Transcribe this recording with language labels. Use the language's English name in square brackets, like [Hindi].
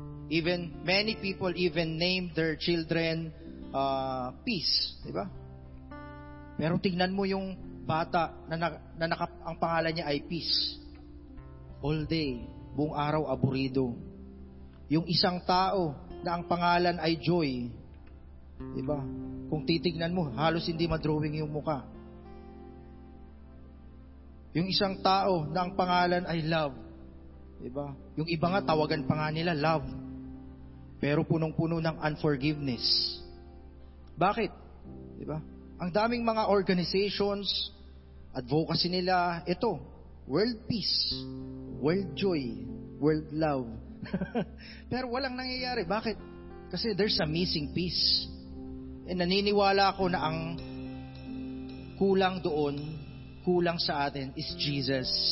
[English] Even many people even name their children peace, [Filipino] di ba? Pero tingnan mo yung bata na ang pangalan niya ay peace. [English] All day, [Filipino] buong araw aburido. Yung isang tao na ang pangalan ay joy. Di ba? Kung titignan mo, halos hindi madrawing yung mukha. Yung isang tao na ang pangalan ay love. Diba? Yung iba nga, tawagan pa nga nila love. Pero punong-puno ng unforgiveness. Bakit? Diba? Ang daming mga organizations, advocacy nila, ito, world peace, world joy, world love. Pero walang nangyayari. Bakit? [English] Kasi there's a missing piece. [Filipino] And naniniwala ako na ang kulang doon, kulang sa atin, is Jesus.